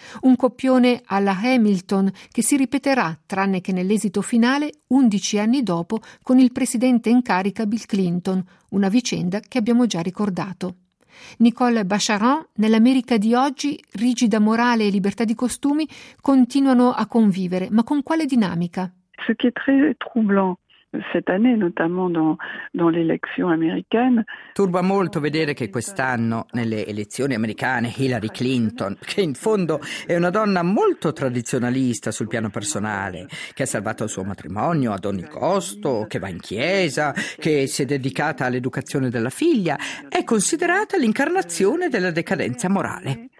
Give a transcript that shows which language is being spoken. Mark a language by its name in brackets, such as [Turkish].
[Italian] Un copione alla Hamilton che si ripeterà, tranne che nell'esito finale, 11 anni dopo, con il presidente in carica Bill Clinton, una vicenda che abbiamo già ricordato. Nicole Bacharan, nell'America di oggi, rigida morale e libertà di costumi continuano a convivere, ma con quale dinamica? [French] Ce qui est très troublant cette année, notamment dans l'élection américaine. [Italian] Turba molto vedere che quest'anno, nelle elezioni americane, Hillary Clinton, che in fondo è una donna molto tradizionalista sul piano personale, che ha salvato il suo matrimonio ad ogni costo, che va in chiesa, che si è dedicata all'educazione della figlia, è considerata l'incarnazione della decadenza morale.